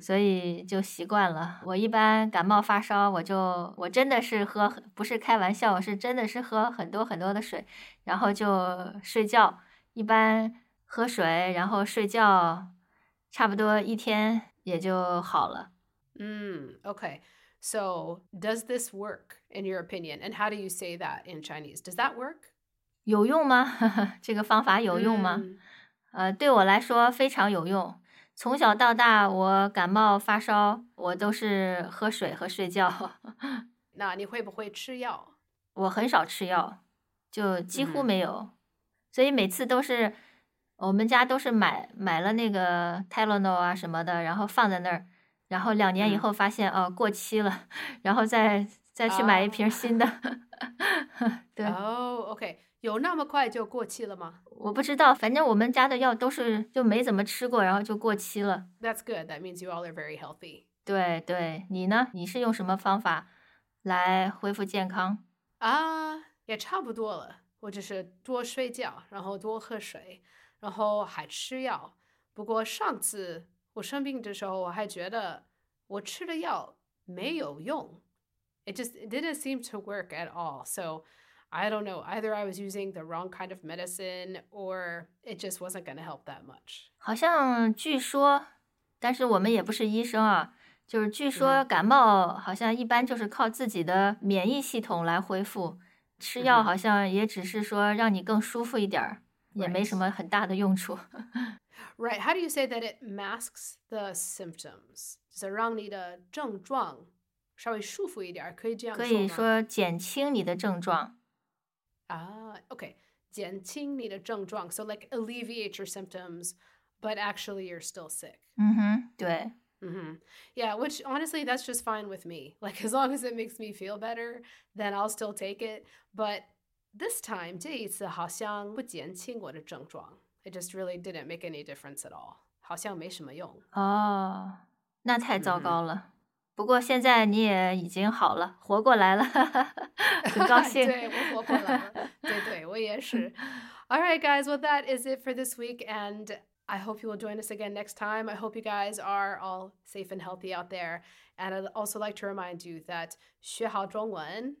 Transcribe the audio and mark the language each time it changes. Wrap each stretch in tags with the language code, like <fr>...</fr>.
<zh>所以就习惯了我一般感冒发烧我真的是喝不是开玩笑我是真的是喝很多很多的水然后就睡觉一般喝水然后睡觉差不多一天也就好了</zh> <en>嗯 okay so does this work in your opinion and how do you say that in Chinese does that work</en> <zh>有用吗这个方法有用吗、嗯对我来说非常有用。从小到大我感冒发烧我都是喝水和睡觉。那你会不会吃药我很少吃药就几乎没有。嗯、所以每次都是我们家都是买了那个 Tylenol 啊什么的然后放在那儿然后两年以后发现、嗯、哦过期了然后再去买一瓶新的。哦对。哦 ,OK。有那么快就过期了吗我不知道反正我们家的药都是就没怎么吃过然后就过期了。</zh> <en>That's good, that means you all are very healthy.</en> <zh>对对你呢你是用什么方法来恢复健康啊、也差不多了我只是多睡觉然后多喝水然后还吃药。不过上次我生病的时候我还觉得我吃的药没有用。</zh> <en>It didn't seem to work at all, so... I don't know, either I was using the wrong kind of medicine or it just wasn't going to help that much.</en> <zh>好像据说,但是我们也不是医生啊,就是据说感冒好像一般就是靠自己的免疫系统来恢复,吃药好像也只是说让你更舒服一点,也没什么很大的用处。</zh> <en>Right, how do you say that it masks the symptoms?</en> <zh>就是让你的症状稍微舒服一点,可以这样说吗? 可以说减轻你的症状。</zh> <en>Okay,</en> <zh>减轻你的症状,</zh> <en>so like alleviate your symptoms, but actually you're still sick.</en> <zh>Mm-hmm, 对。 Mm-hmm.</zh> <en>Yeah, which honestly, that's just fine with me. Like as long as it makes me feel better, then I'll still take it. But this time,</en> <zh>这一次好像不减轻我的症状。</zh> <en>It just really didn't make any difference at all.</en> <zh>好像没什么用。哦,那太糟糕了。Mm-hmm. 不过现在你也已经好了活过来了很高兴对我活过来了对对我也是</zh> <en>Alright guys well that is it for this week and I hope you will join us again next time I hope you guys are all safe and healthy out there and I'd also like to remind you that</en> <zh>学好中文</zh>